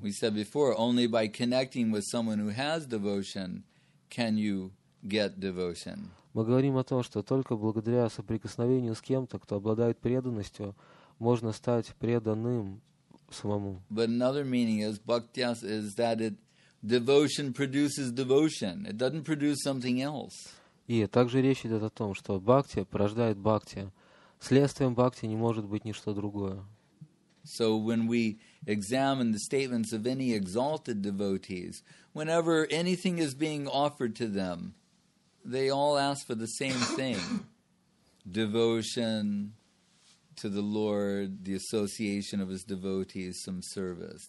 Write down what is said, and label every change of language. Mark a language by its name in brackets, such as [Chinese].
[English] We said before, only by connecting with someone who has devotion can you get devotion. [Russian] Мы говорим о том, что только благодаря соприкосновению с кем-то, кто обладает преданностью, можно стать преданным самому. [English] But another meaning is bhaktya is that it devotion produces devotion. It doesn't produce something else. [Russian] И также речь идет о том, что бхакти порождает бхакти. Следствием бхакти не может быть ничто другое. [English] So when we examine the statements of any exalted devotees, whenever anything is being offered to them, they all ask for the same thing. Devotion to the Lord, the association of his devotees, some service.